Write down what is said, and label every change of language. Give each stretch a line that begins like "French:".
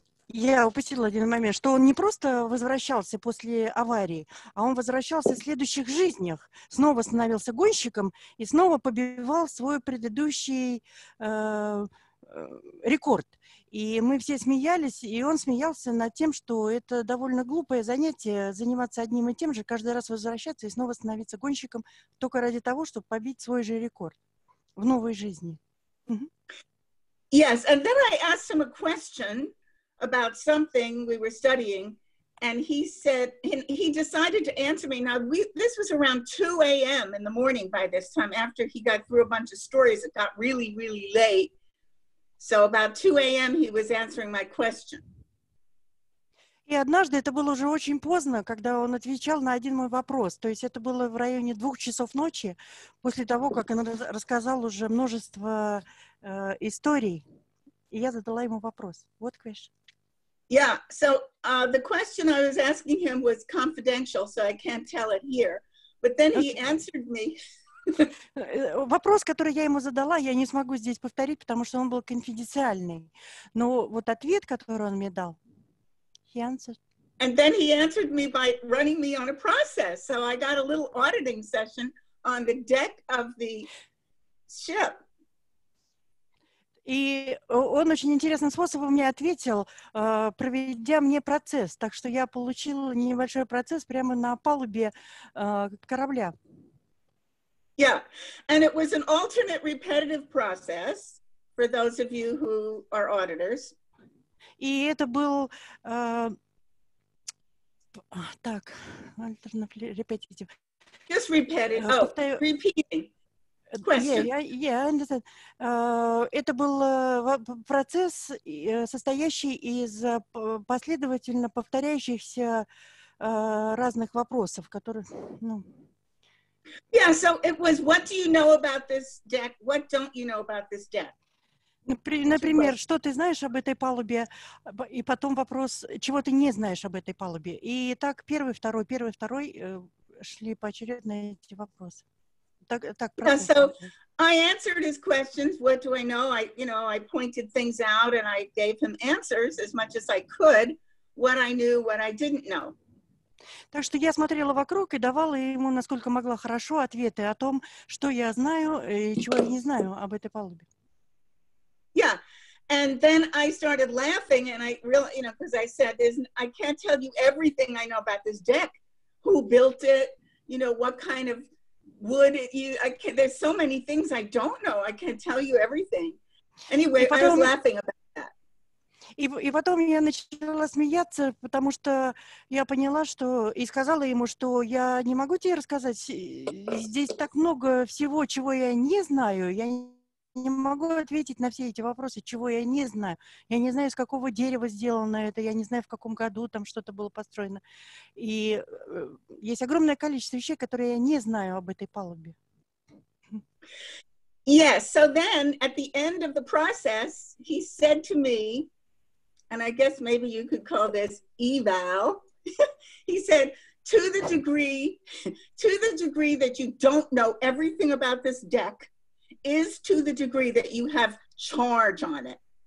Russian: Я упустила один момент, что он не просто возвращался после аварии, а он возвращался в следующих жизнях, снова становился гонщиком и снова побивал свой предыдущий рекорд. И мы все смеялись, и он смеялся над тем, что это довольно глупое занятие, заниматься одним и тем же, каждый раз возвращаться и снова становиться гонщиком только ради того, чтобы побить свой же рекорд в новой жизни.
English: Yes, and then I asked him a question about something we were studying, and he said, he decided to answer me. Now, this was around 2 a.m. in the morning by this time, after he got through a bunch of stories, it got really, really late. So about 2 a.m. he was answering my question.
Russian: И однажды это было уже очень поздно, когда он отвечал на один мой вопрос. То есть это было в районе 2 часов ночи, после того, как он рассказал уже множество историй. И я задала ему вопрос.
English: What question? Yeah, so the question I was asking him was confidential, so I can't tell it here. But then he answered me.
Russian: Вопрос, который я ему задала, я не смогу здесь повторить, потому что он был конфиденциальный. Но вот ответ, который он мне дал,
English: he answered. And then he answered me by running me on a process. So I got a little auditing session on the deck of the ship.
Russian: И он очень интересным способом мне ответил, проведя мне процесс. Так что я получил небольшой процесс прямо на палубе корабля.
English: Yeah, and it was an alternate repetitive process for those of you who are auditors.
Russian: И это был...
English: так, alternate repetitive. Just repetitive. Repeating.
Russian: Yeah, это был процесс, состоящий из последовательно повторяющихся разных вопросов, которые, ну...
English: Yeah, so it was, what do you know about this deck? What don't you know about this deck?
Russian: Например, что ты знаешь об этой палубе, и потом вопрос, чего ты не знаешь об этой палубе. И так первый, второй шли поочередно эти вопросы.
English: Yeah, so I answered his questions. What do I know? I pointed things out and I gave him answers as much as I could. What I knew, what I didn't know.
Russian: Так что я смотрела вокруг и давала ему, насколько могла хорошо, ответы о том, что я знаю и чего я не знаю об этой палубе.
English: Yeah, and then I started laughing and I really, you know, because I said, I can't tell you everything I know about this deck. Who built it? You know, what kind of would you, I can't, there's so many things I don't know. I can't tell you everything. Anyway,
Russian: потом,
English: I was laughing about that.
Russian: И потом я начала смеяться, потому что я поняла, что, и сказала ему, что я не могу тебе рассказать, здесь так много всего, чего я не знаю, я не могу ответить на все эти вопросы, чего я не знаю. Я не знаю, из какого дерева сделано это, я не знаю, в каком году там что-то было построено. И есть огромное количество вещей, которые я не знаю об этой палубе.
English: Yes, so then, at the end of the process, he said to me, and I guess maybe you could call this eval, he said, to the degree that you don't know everything about this deck, is to the degree that you have charge on it.